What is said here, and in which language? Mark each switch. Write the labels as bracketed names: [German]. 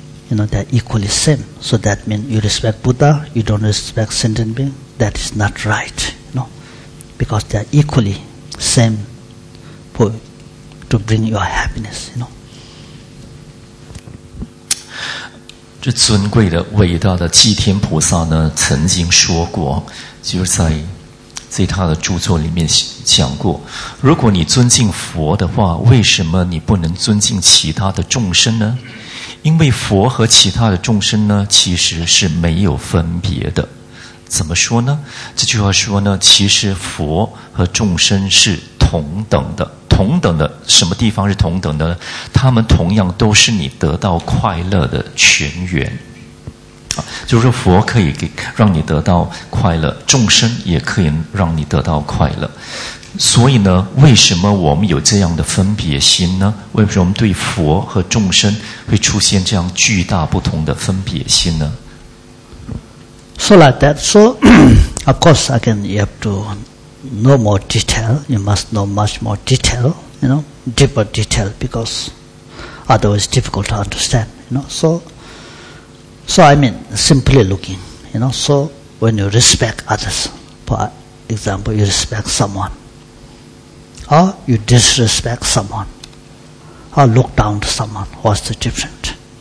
[English] You know, they're equally same. So that means you respect Buddha, you don't respect sentient being. That is not right, you know. Because they're equally same to bring your happiness, you know. [Chinese] 这尊贵的、伟大的寂天菩萨呢，曾经说过，就是在在他的著作里面讲过，如果你尊敬佛的话，为什么你不能尊敬其他的众生呢？因为佛和其他的众生呢，其实是没有分别的。怎么说呢？这句话说呢，其实佛和众生是同等的。同等的，什么地方是同等的呢？他们同样都是你得到快乐的泉源。就是说佛可以给让你得到快乐，众生也可以让你得到快乐。所以呢，为什么我们有这样的分别心呢？为什么我们对佛和众生会出现这样巨大不同的分别心呢？ [English] So like that. So of course again you have to know more detail. You must know much more detail, you know, deeper detail, because otherwise difficult to understand, you know. So I mean, simply looking, you know, so when you respect others, for example, you respect someone, or you disrespect someone, or look down to someone, what's the difference?